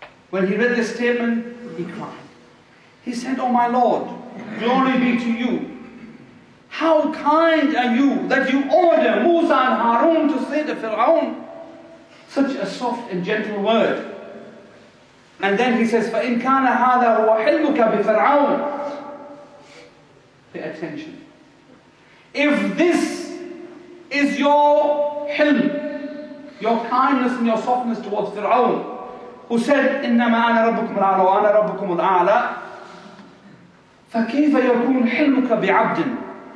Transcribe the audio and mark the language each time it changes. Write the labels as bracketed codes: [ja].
[en] When he read this statement, he cried. He said, oh my Lord, glory be to you. How kind are you that you order Musa and Harun to say to Fir'aun such a soft and gentle word? And then he says, [ar] فَإِنْ كَانَ هَذَا هُوَ حِلْمُكَ بِفِرْعَوْنَ. [en] Pay attention. If this is your حِلْم, your kindness and your softness towards Fir'aun, who said, [ar] إِنَّمَا أَنَا رَبُّكُمْ الْعَلَى وَأَنَا رَبُّكُمُ الْعَلَى, فَكِيفَ يَكُونْ حِلْمُكَ بِعَبْدٍ.